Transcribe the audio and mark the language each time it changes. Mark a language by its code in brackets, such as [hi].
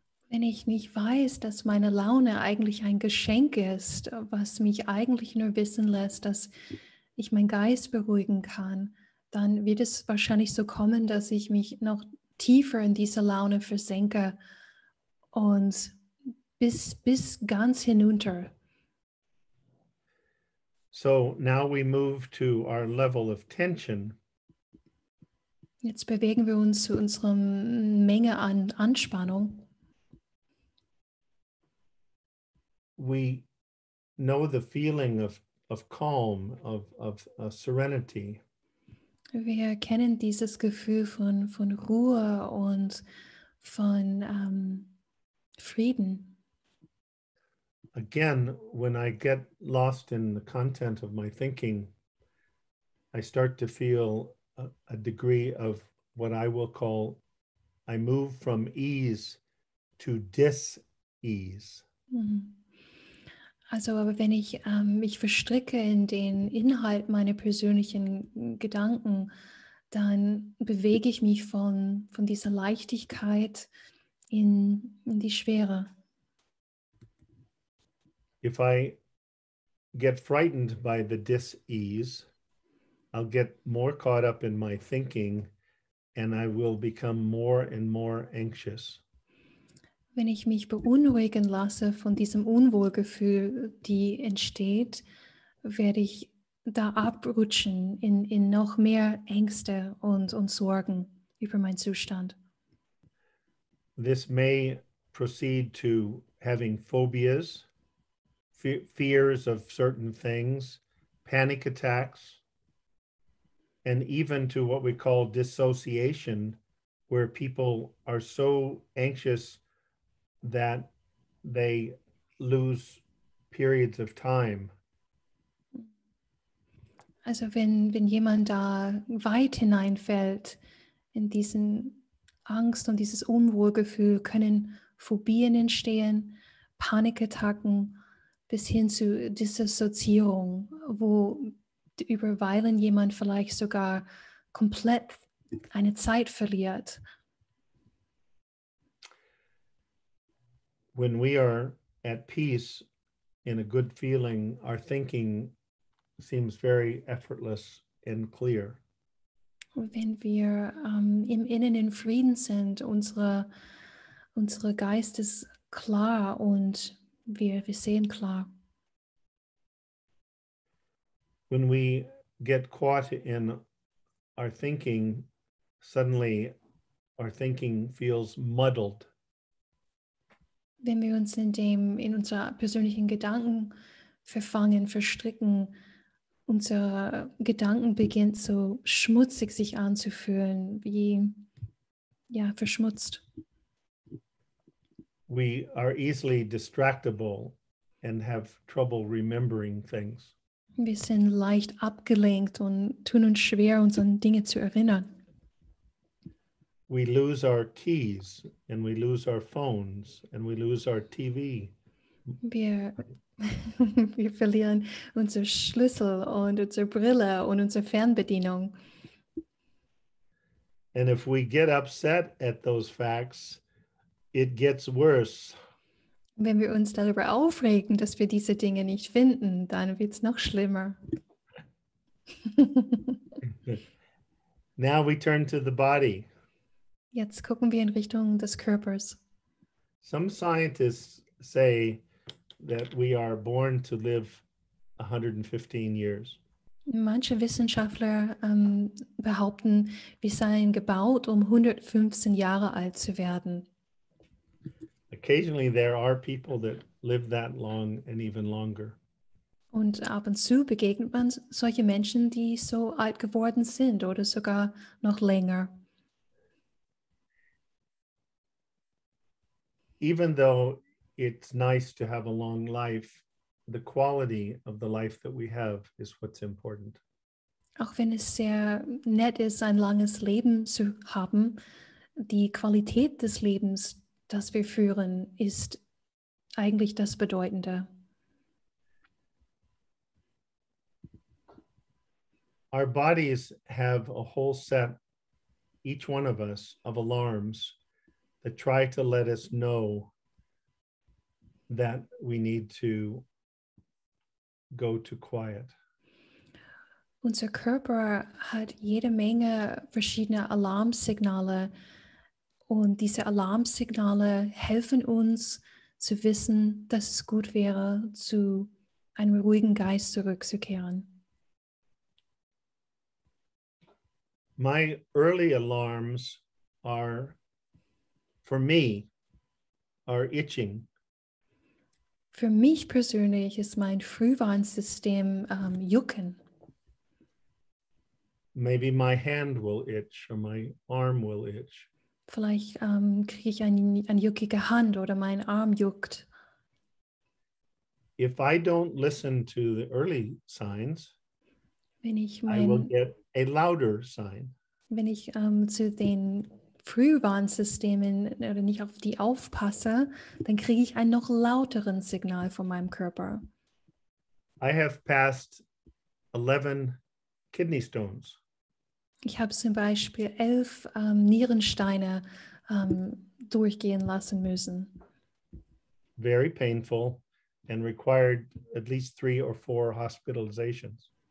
[de] Wenn ich nicht weiß, dass meine Laune eigentlich ein Geschenk ist, was mich eigentlich nur wissen lässt, dass ich meinen Geist beruhigen kann, dann wird es wahrscheinlich so kommen, dass ich mich noch tiefer in diese Laune versenke und bis ganz hinunter. [en] So now we move to our level of tension. [de] Jetzt bewegen wir uns zu unserer Menge an Anspannung. [en] We know the feeling of calm, of serenity. [de] Wir kennen dieses Gefühl von Ruhe und von Frieden. [en] Again, when I get lost in the content of my thinking, I start to feel a degree of what I will call, I move from ease to dis-ease. Mm-hmm. [de] Also, aber wenn ich mich verstricke in den Inhalt meiner persönlichen Gedanken, dann bewege ich mich von dieser Leichtigkeit in die Schwere. [en] If I get frightened by the dis-ease, I'll get more caught up in my thinking and I will become more and more anxious. [de] Wenn ich mich beunruhigen lasse von diesem Unwohlgefühl, die entsteht, werde ich da abrutschen in noch mehr Ängste und Sorgen über meinen Zustand. [en] This may proceed to having phobias, fears of certain things, panic attacks, and even to what we call dissociation, where people are so anxious that they lose periods of time. [de] Also wenn jemand da weit hineinfällt in diesen Angst und dieses Unwohlgefühl, können Phobien entstehen, Panikattacken bis hin zu Dissoziierung, wo über Weilen jemand vielleicht sogar komplett eine Zeit verliert. [en] When we are at peace, in a good feeling, our thinking seems very effortless and clear. [de] Wenn wir im Innen in Frieden sind, unsere Geist ist klar und wir sehen klar. [en] When we get caught in our thinking, suddenly our thinking feels muddled. [de] Wenn wir uns in unserer persönlichen Gedanken verfangen, verstricken, unser Gedanken beginnt so schmutzig sich anzufühlen, wie ja, verschmutzt. [en] We are easily distractible and have trouble remembering things. [de] Wir sind leicht abgelenkt und tun uns schwer, uns an Dinge zu erinnern. [en] We lose our keys and we lose our phones and we lose our TV. [de] Wir verlieren unser Schlüssel und unsere Brille und unsere Fernbedienung. [en] And if we get upset at those facts, it gets worse. [de] Wenn wir uns darüber aufregen, dass wir diese Dinge nicht finden, dann wird's noch schlimmer. [en] Now we turn to the body. [de] Jetzt gucken wir in Richtung des Körpers. [en] Some scientists say that we are born to live 115 years. [de] Manche Wissenschaftler behaupten, wir seien gebaut, um 115 Jahre alt zu werden. [en] Occasionally there are people that live that long and even longer. [de] Und ab und zu begegnet man solche Menschen, die so alt geworden sind oder sogar noch länger. [en] Even though it's nice to have a long life, the quality of the life that we have is what's important. [de] Auch wenn es sehr nett ist, ein langes Leben zu haben, die Qualität des Lebens, das wir führen, ist eigentlich das Bedeutende. [en] our bodies have a whole set, each one of us, of alarms that try to let us know that we need to go to quiet. [de] Unser Körper hat jede Menge verschiedene Alarmsignale, und diese Alarmsignale helfen uns zu wissen, dass es gut wäre, zu einem ruhigen Geist zurückzukehren. [en] My early alarms are, for me, are itching. [de] Für mich persönlich ist mein Frühwarnsystem jucken. [en] Maybe my hand will itch or my arm will itch. [de] Vielleicht kriege ich eine juckige Hand oder mein Arm juckt. [en] If I don't listen to the early signs, [de] wenn ich [en] I will get a louder sign. [de] Wenn ich zu den Frühwarnsystemen oder nicht auf die aufpasse, dann kriege ich ein noch lauteren Signal von meinem Körper. [en] I have passed 11 kidney stones. [de] Ich habe zum Beispiel 11 Nierensteine durchgehen lassen müssen. [en] Very painful and required at least 3 or 4 hospitalizations.